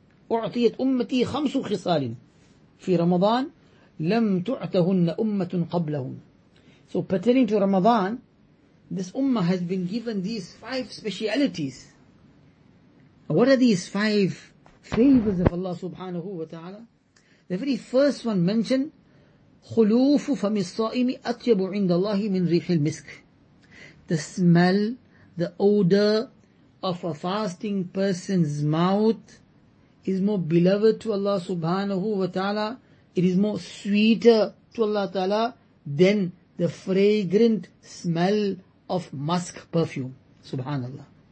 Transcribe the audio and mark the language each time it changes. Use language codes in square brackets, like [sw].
[ar] أُعْطِيَتْ أُمَّتِي 5 خِصَالٍ فِي رَمَضَانٍ لَمْ تُعْتَهُنَّ أُمَّةٌ قَبْلَهُمْ. [en] So pertaining to Ramadan, this ummah has been given these 5 specialities. What are these five favors of Allah subhanahu wa ta'ala? The very first one mentioned, [ar] خُلُوفُ فَمِ الصَّائِمِ أَطْيَبُ عِنْدَ اللَّهِ مِنْ رِيحِ الْمِسْكِ. [en] The smell, the odor of a fasting person's mouth is more beloved to Allah subhanahu wa ta'ala. It is more sweeter to Allah ta'ala than the fragrant smell of musk perfume. Subhanallah.